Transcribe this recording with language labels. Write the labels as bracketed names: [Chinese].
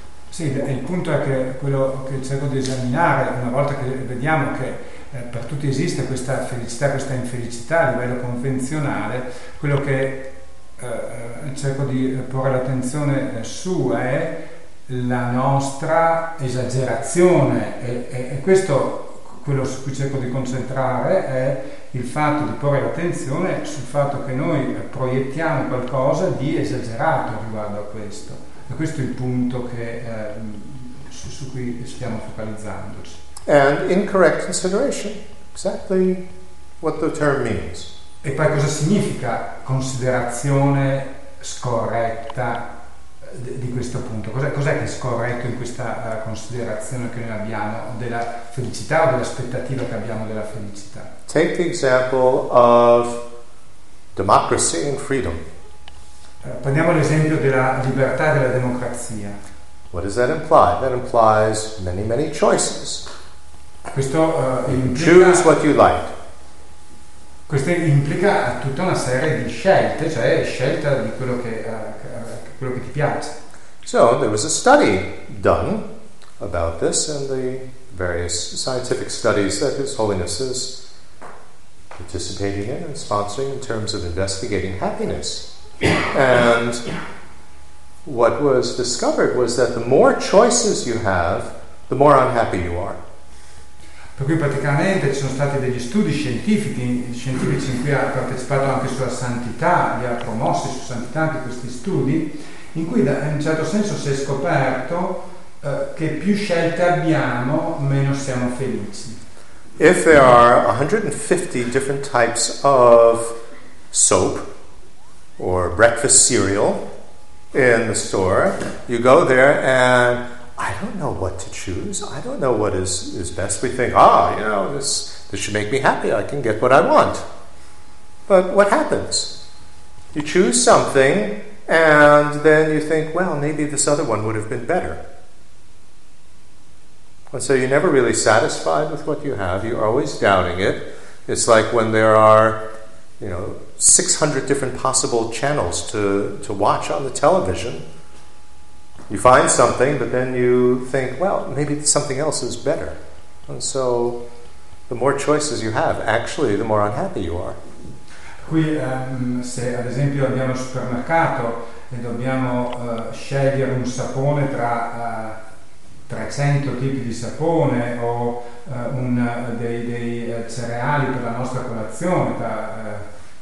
[Italian] Sì, il punto è che quello che cerco di esaminare una volta che vediamo che per tutti esiste questa felicità, questa infelicità a livello convenzionale, quello che cerco di porre l'attenzione su è la nostra esagerazione e questo quello su cui cerco di concentrare è il fatto di porre l'attenzione sul fatto che noi proiettiamo qualcosa di esagerato riguardo a questo. E questo è il punto che, su cui stiamo focalizzandoci. [English] And incorrect consideration, exactly what the term means. [Italian] E poi cosa significa considerazione scorretta di questo punto? Cos'è che è scorretto in questa considerazione che noi abbiamo della felicità o dell'aspettativa che abbiamo della felicità? [English] Take the example of democracy and freedom. [Italian] Prendiamo l'esempio della libertà e della democrazia. [English] What does that imply? That implies many, many choices. [Italian] Questo [English] choose what you like. [Italian] Questo implica tutta una serie di scelte, cioè scelta di quello che ti piace. [English] So there was a study done about this and the various scientific studies that His Holiness is participating in and sponsoring in terms of investigating happiness. And what was discovered was that the more choices you have, the more unhappy you are. [Italian] Per cui praticamente ci sono stati degli studi scientifici in cui ha partecipato anche sulla santità, li ha promossi su santità anche questi studi, in cui in un certo senso si è scoperto che più scelte abbiamo, meno siamo felici. [English] If there are 150 different types of soap or breakfast cereal in the store, you go there and I don't know what to choose. I don't know what is best. We think, this should make me happy. I can get what I want. But what happens? You choose something, and then you think, well, maybe this other one would have been better. And so you're never really satisfied with what you have. You're always doubting it. It's like when there are, 600 different possible channels to watch on the television. You find something, but then you think, well, maybe something else is better. And so, the more choices you have, actually, the more unhappy you are. [Italian] Qui, se ad esempio andiamo al supermercato e dobbiamo scegliere un sapone tra 300 tipi di sapone o dei cereali per la nostra colazione tra